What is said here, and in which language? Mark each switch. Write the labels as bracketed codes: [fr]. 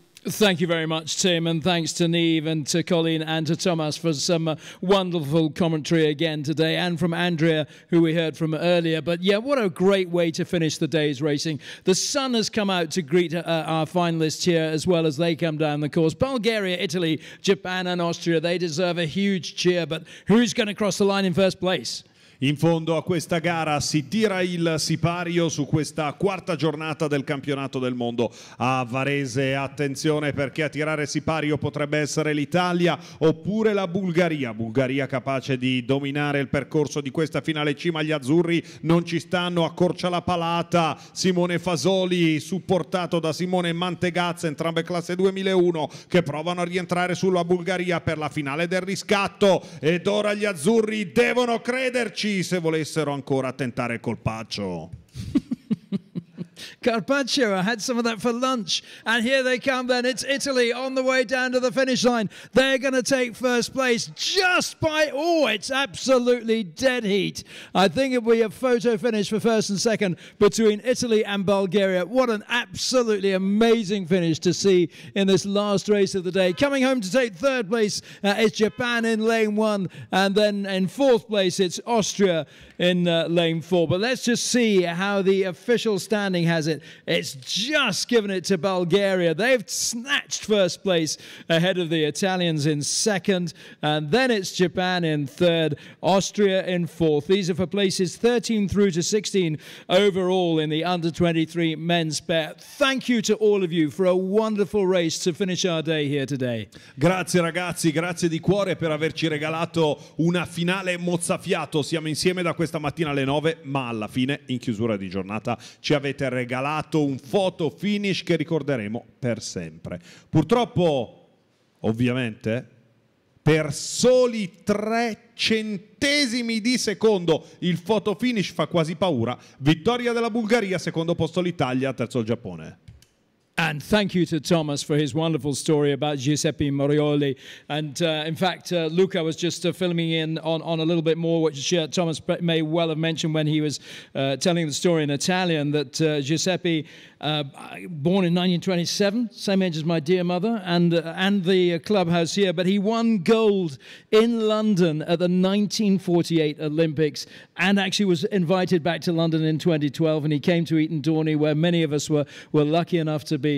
[en] Thank you very much, Tim, and thanks to Niamh and to Colleen and to Thomas for some wonderful commentary again today, and from Andrea, who we heard from earlier. But yeah, what a great way to finish the day's racing. The sun has come out to greet our finalists here as well as they come down the course. Bulgaria, Italy, Japan and Austria, they deserve a huge cheer, but who's going to cross the line in first place? [it] In fondo a questa gara si tira il sipario su questa quarta giornata del campionato del mondo a Varese. Attenzione, perché a tirare sipario potrebbe essere l'Italia oppure la Bulgaria. Bulgaria capace di dominare il percorso di questa finale C, ma gli azzurri non ci stanno. Accorcia la palata Simone Fasoli, supportato da Simone Mantegazza, entrambe classe 2001, che provano a rientrare sulla Bulgaria per la finale del riscatto. Ed ora gli azzurri devono crederci se volessero ancora tentare colpaccio. [en] Carpaccio, I had some of that for lunch. And here they come then. It's Italy on the way down to the finish line. They're going to take first place just by... Oh, it's absolutely dead heat. I think it'll be a photo finish for first and second between Italy and Bulgaria. What an absolutely amazing finish to see in this last race of the day. Coming home to take third place is Japan in lane one. And then in fourth place, it's Austria in lane four. But let's just see how the official standing has it. It's just given it to Bulgaria. They've snatched first place ahead of the Italians in second, and then it's Japan in third, Austria in fourth. These are for places 13 through to 16 overall in the under-23 men's pair. Thank you to all of you for a wonderful race to finish our day here today. [it] Grazie ragazzi, grazie di cuore per averci regalato una finale mozzafiato. Siamo insieme da questa mattina alle 9, ma alla fine, in chiusura di giornata, ci avete regalato un photo finish che ricorderemo per sempre. Purtroppo, ovviamente, per soli 3 centesimi di secondo il photo finish fa quasi paura. Vittoria della Bulgaria, secondo posto l'Italia, terzo il Giappone. [en] And thank you to Thomas for his wonderful story about Giuseppe Morioli. And in fact, Luca was just filming in on a little bit more, which Thomas may well have mentioned when he was telling the story in Italian, that Giuseppe, born in 1927, same age as my dear mother, and the clubhouse here, but he won gold in London at the 1948 Olympics, and actually was invited back to London in 2012, and he came to Eton Dorney, where many of us were lucky enough to be.